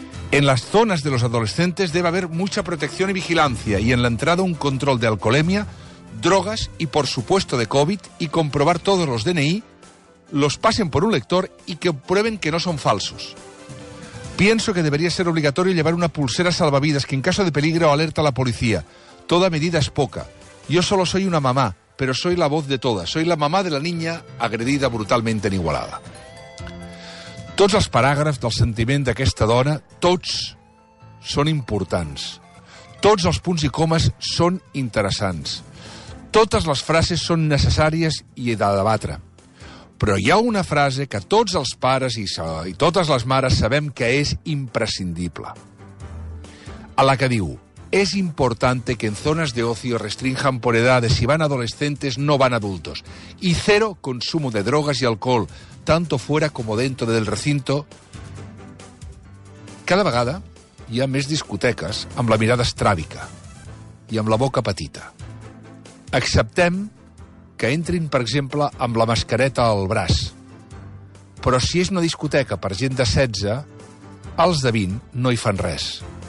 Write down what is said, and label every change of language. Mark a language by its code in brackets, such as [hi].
[es] En las zonas de los adolescentes debe haber mucha protección y vigilancia y en la entrada un control de alcoholemia, drogas y, por supuesto, de COVID y comprobar todos los DNI, los pasen por un lector y que prueben que no son falsos. Pienso que debería ser obligatorio llevar una pulsera salvavidas que en caso de peligro alerta a la policía. Toda medida es poca. Yo solo soy una mamá, pero soy la voz de todas. Soy la mamá de la niña agredida brutalmente en Igualada. [ca] Tots els paràgrafs del sentiment d'aquesta dona, tots són importants. Tots els punts i comes són interessants. Totes les frases són necessàries i de debatre. Però hi ha una frase que tots els pares i totes les mares sabem que és imprescindible. A la que diu, és important que [es] en zones de ocio restrinjan por edades, si van adolescentes no van adultos. I cero consumo de drogas y alcohol, tanto fuera como dentro del recinto. [ca] Cada vegada hi ha més discoteques amb la mirada estràbica i amb la boca petita. Acceptem que entrin, per exemple, amb la mascareta al braç. Però si és una discoteca per gent de 16, els de 20 no hi fan res.